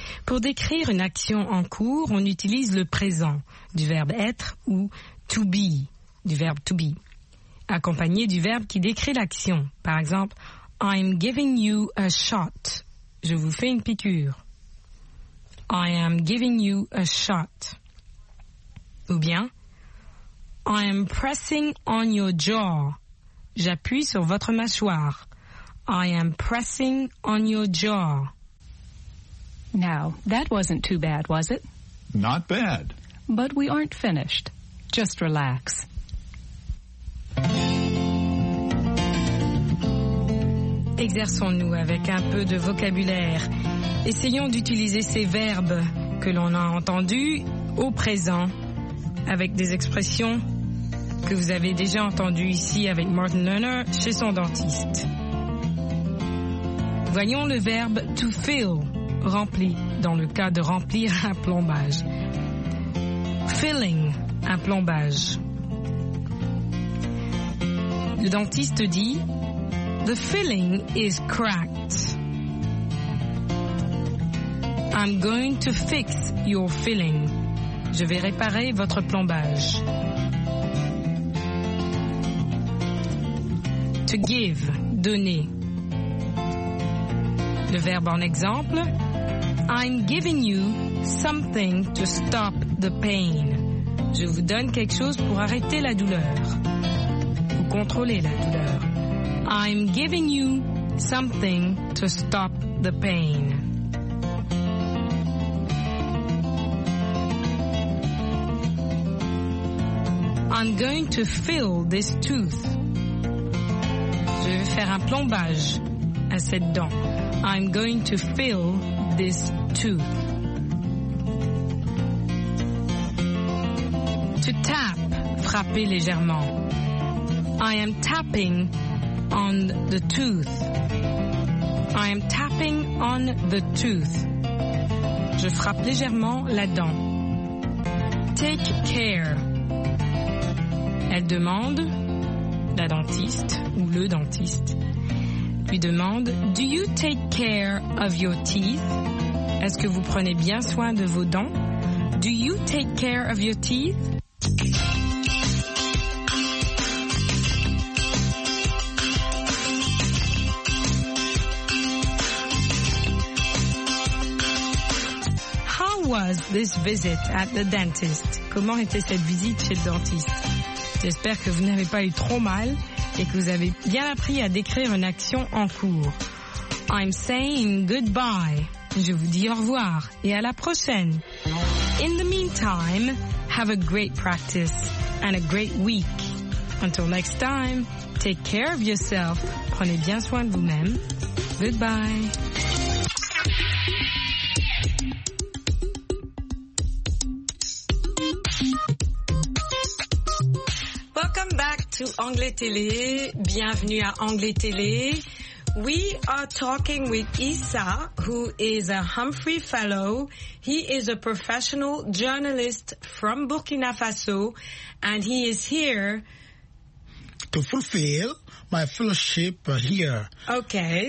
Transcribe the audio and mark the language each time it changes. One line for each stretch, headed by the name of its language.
French: Pour décrire une action en cours, on utilise le présent du verbe être ou to be, du verbe to be, accompagné du verbe qui décrit l'action. Par exemple,
English: I'm giving you a shot.
French: Je vous fais une piqûre.
English: I am giving you a shot.
French: Ou bien,
English: I am pressing on your jaw.
French: J'appuie sur votre mâchoire.
English: I am pressing on your jaw. Now, that wasn't too bad, was it? Not bad. But we aren't finished. Just relax.
French: Exerçons-nous avec un peu de vocabulaire. Essayons d'utiliser ces verbes que l'on a entendus au présent avec des expressions que vous avez déjà entendues ici avec Martin Lerner chez son dentiste. Voyons le verbe
English: to fill,
French: rempli, dans le cas de remplir un plombage. Filling, un plombage. Le dentiste dit
English: the filling is cracked. I'm going to fix your filling.
French: Je vais réparer votre plombage.
English: To give,
French: donner. Le verbe en exemple,
English: I'm giving you something to stop the pain.
French: Je vous donne quelque chose pour arrêter la douleur. Vous contrôlez la douleur.
English: I'm giving you something to stop the pain. I'm going to fill this tooth.
French: Je vais faire un plombage à cette dent.
English: I'm going to fill this tooth. To tap,
French: frapper légèrement.
English: I am tapping on the tooth. I am tapping on the tooth.
French: Je frappe légèrement la dent.
English: Take care.
French: Elle demande, la dentiste ou le dentiste, lui demande,
English: do you take care of your teeth?
French: Est-ce que vous prenez bien soin de vos dents?
English: Do you take care of your teeth? How was this visit at the dentist?
French: Comment était cette visite chez le dentiste? J'espère que vous n'avez pas eu trop mal et que vous avez bien appris à décrire une action en cours.
English: I'm saying goodbye.
French: Je vous dis au revoir et à la prochaine.
English: In the meantime, have a great practice and a great week. Until next time, take care of yourself.
French: Prenez bien soin de vous-même.
English: Goodbye.
French: To Anglais Télé. Bienvenue à Anglais Télé.
English: We are talking with Issa, who is a Humphrey Fellow. He is a professional journalist from Burkina Faso, and he is here to fulfill my fellowship here. Okay.